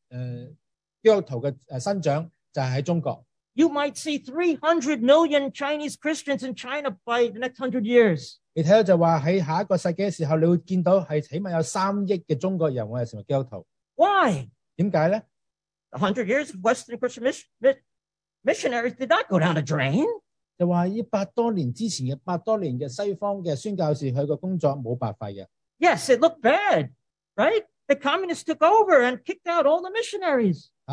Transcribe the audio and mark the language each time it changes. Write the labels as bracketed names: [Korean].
[Chinese] 你会见到就是说，这个世界最快最快捷的这个基督徒的生长就是在中国。 [English] You might see 300 million Chinese Christians in China by the next 100 years. [Chinese] 你看就说在下一个世纪的时候，你会见到是起码有3亿的中国人会成为基督徒。 [English] Why? [Chinese] 为什么呢？ [English] 100 years of Western Christian missionaries did not go down the drain. [Chinese] 就说这100多年之前的100多年的西方的宣教士，他的工作没白费的。 [English] Yes, it looked bad, right? The communists took over and kicked out all the missionaries.